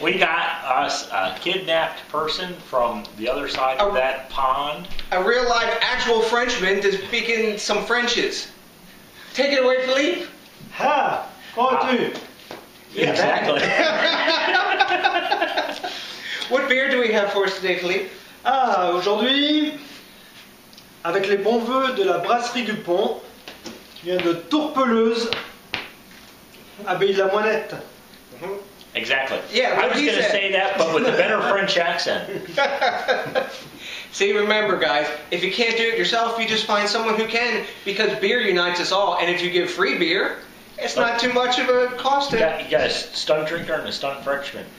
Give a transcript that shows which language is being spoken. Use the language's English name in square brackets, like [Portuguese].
[English] We got us a kidnapped person from the other side of that pond. A real life actual Frenchman to speak in some Frenches. Take it away, Philippe. [French] Ha! Pardieu! [English] Exactly. What beer do we have for us today, Philippe? [French] Aujourd'hui, avec les bons vœux de la Brasserie Dupont, vient de Tourpeleuse, Abbaye de la Moinette. [English] Mm-hmm. Exactly. Yeah, I was going to say that, but with a better French accent. See, remember, guys, if you can't do it yourself, you just find someone who can, because beer unites us all, and if you give free beer, it's not too much of a cost. You got a stunt drinker and a stunt Frenchman.